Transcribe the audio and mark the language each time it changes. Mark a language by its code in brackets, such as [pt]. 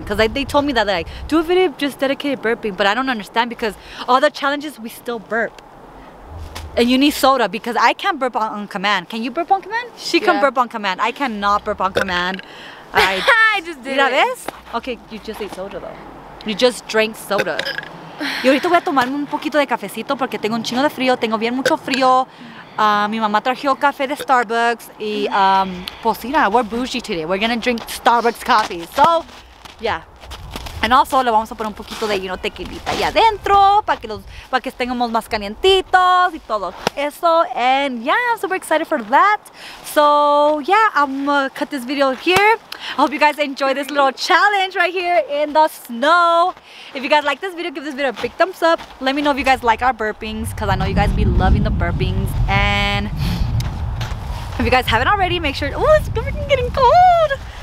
[en] Because, like, they told me that, like, do a video of just dedicated burping. But I don't understand because all the challenges, we still burp. And you need soda because I can't burp on command. Can you burp on command? She can burp on command. I cannot burp on command. I just did it. [es] ¿Ves? [en] Okay, you just ate soda though. You just drank soda. [es] Y ahorita voy a tomarme un poquito de cafecito porque tengo un chingo de frío. Tengo bien mucho frío. Mi mamá trajo café de Starbucks. Y pues mira, [en] we're bougie today. We're gonna drink Starbucks coffee. So, yeah. And also, [es] le vamos a poner un poquito de, [en] you know, [es] tequilita ahí adentro para que estemos más calientitos y todo eso. [en] And yeah, I'm super excited for that. So yeah, I'm gonna cut this video here. I hope you guys enjoy this little challenge right here in the snow. If you guys like this video, give this video a big thumbs up. Let me know if you guys like our burpings, because I know you guys be loving the burpings. And if you guys haven't already, make sure, oh, it's getting cold.